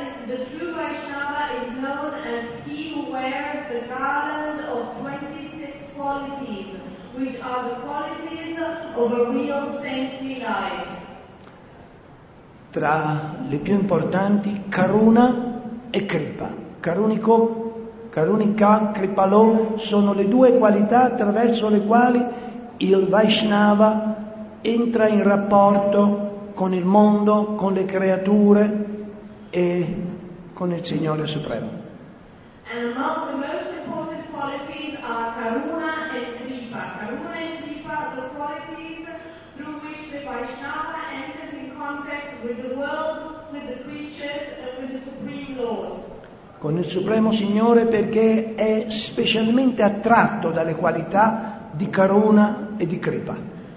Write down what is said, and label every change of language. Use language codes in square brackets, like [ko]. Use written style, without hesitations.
[en] The true Vaishnava is known as he who wears the garland of 26 qualities, which are the qualities of a real saintly life. [it] Tra le più importanti, Karuna e Kripa. Karuniko, Karunika, Kripalo sono le due qualità attraverso le quali il Vaishnava entra in rapporto con il mondo, con le creature e con il Signore Supremo. [en] And among the most important qualities are Karuna and Kripa. Karuna and Kripa are the qualities through which the Vaishnava enters in contact with the world, with the creatures and with the Supreme Lord. [it] Con il Supremo Signore, perché è specialmente attratto dalle qualità di Karuna e di Kripa.